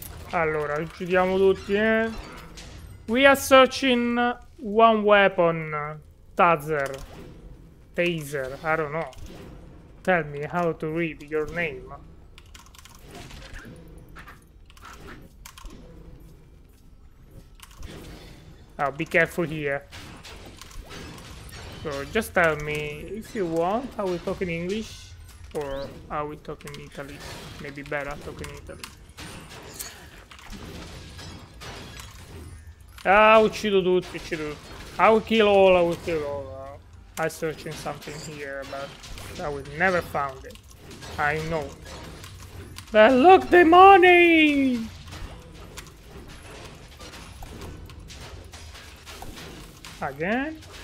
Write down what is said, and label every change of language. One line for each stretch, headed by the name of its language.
Italian: Allora, uccidiamo tutti, eh.
English: We are searching one weapon. Taser. Taser, I don't know. Tell me how to read your name. Oh, be careful here. So just tell me if you want, are we talking English or are we talking Italy? Maybe better talking Italy.
Italian: Ah, uccido tutti, uccido tutti.
English: I will kill all, I will kill all. I searching something here, but I will never found it. I know. But look the money! Again?